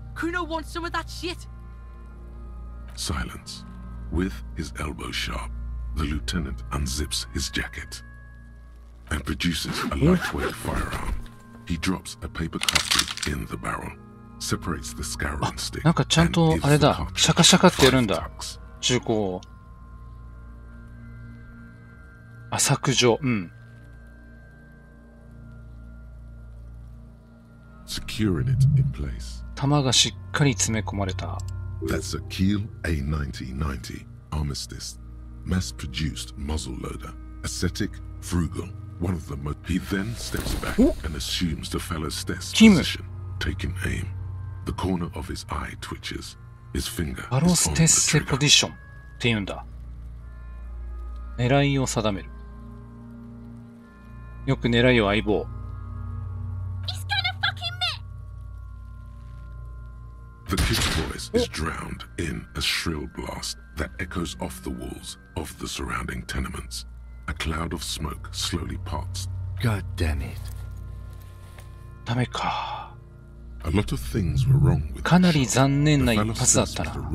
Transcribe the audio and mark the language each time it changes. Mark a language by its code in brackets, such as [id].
[en] Kuno wants some of that shit! Silence. With his elbow sharp, the lieutenant unzips his jacket and produces a lightweight firearm. He drops a paper cartridge in the barrel. Separates the scarab and stick. [ja] なんかちゃんとあれだ、シャカシャカってやるんだ。銃口を。あ、削除。うん。 [en] Securing it in place. [ja] 弾がしっかり詰め込まれた。 [en] That's a Kiel A1990 armistice, mass-produced muzzle loader, aesthetic, frugal, one of the most. He then steps back and assumes the fellow's stance position, taking aim. The corner of his eye twitches. His finger is on the trigger. [ja] ステポジションって言うんだ。狙いを定める。よく狙いを相棒。 [en] He's gonna fucking miss! The kid's voice is drowned in a shrill blast that echoes off the walls of the surrounding tenements. A cloud of smoke slowly parts. God damn it. [ja] ダメか。 [en] A lot of things were wrong with [ja] かなり残念な一発だったな。